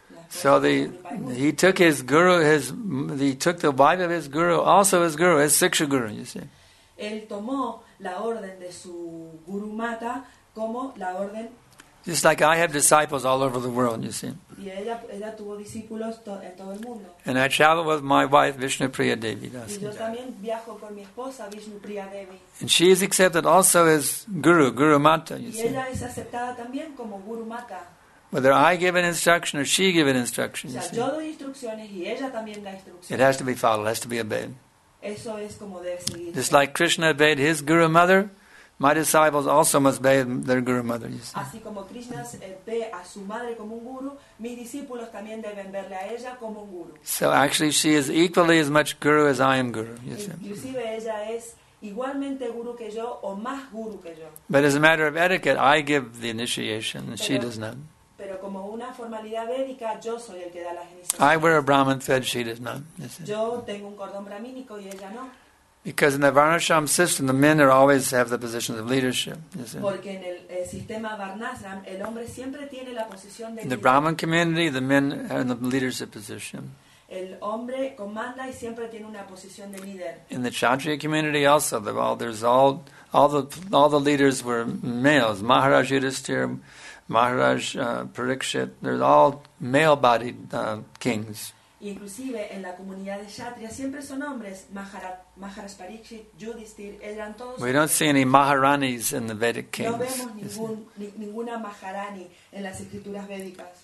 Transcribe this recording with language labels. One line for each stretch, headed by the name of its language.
English: So he took the wife of his guru, also his guru, his siksha guru, you see.
Spanish: Él tomó la orden de su guru mata como la orden.
English: Just like I have disciples all over the world, you see.
Spanish: Y ella tuvo discípulos en todo el mundo.
English: And I travel with my wife Vishnupriya Devi.
Spanish: Y yo también viajo con mi esposa Vishnupriya Devi.
English: And she is accepted also as guru mata, you see.
Spanish: Y ella es aceptada también como guru mata.
English: Whether I give an instruction or she give an instruction,
Spanish: o sea, yo doy instrucciones y ella también da instrucciones.
English: It has to be followed, it has to be obeyed.
Spanish: Eso es como debe seguir.
English: Just like Krishna obeyed his guru mother, my disciples also must obey their guru mother, you see.
Spanish: Así como Krishna ve a su madre como un guru, mis discípulos también deben verle a ella como un guru.
English: So actually she is equally as much guru as I am guru, you see.
Spanish: Inclusive ella es igualmente guru que yo o más guru que yo.
English: But as a matter of etiquette, I give the initiation and she does not.
Spanish: Pero como una formalidad védica, yo soy el que da las iniciativas.
English: I wear a Brahmin thread, she does not.
Spanish: Yo tengo un cordón brahmínico y ella no.
English: Because in the Varnasram system, the men are always have the positions of leadership.
Spanish: Porque en el sistema Varnasram, el hombre siempre tiene la posición de.
English: In the Brahman community, the men are in the leadership position.
Spanish: El hombre comanda y siempre tiene una posición de líder.
English: In the Kshatriya community also, there's all the leaders were males. Maharaj Yudhisthira, Maharaj Parikshit, there's all male-bodied kings.
Spanish: Inclusive en la comunidad de Kshatriya siempre son hombres. Maharaj Parikshit, Yudhisthira, eran todos.
English: We don't see any Maharanis in the Vedic kings.
Spanish: No vemos ninguna Maharani en las escrituras védicas.